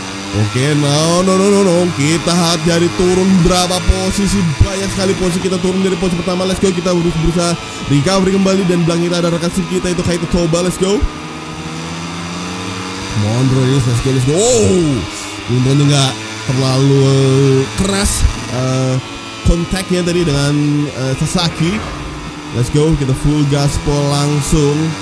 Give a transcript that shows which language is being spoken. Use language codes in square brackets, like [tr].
[id] Oke, no, kita hati-hati turun berapa posisi, banyak sekali posisi kita turun dari posisi pertama. [en] Let's go, [id] kita berusaha recovery kembali. Dan bilang kita ada rekan sim kita itu Kaito Toba. [en] Let's go, come on bro, let's go. [id] Untungnya gak terlalu keras kontaknya tadi dengan Sasaki. [en] Let's go, [id] kita full gaspol langsung.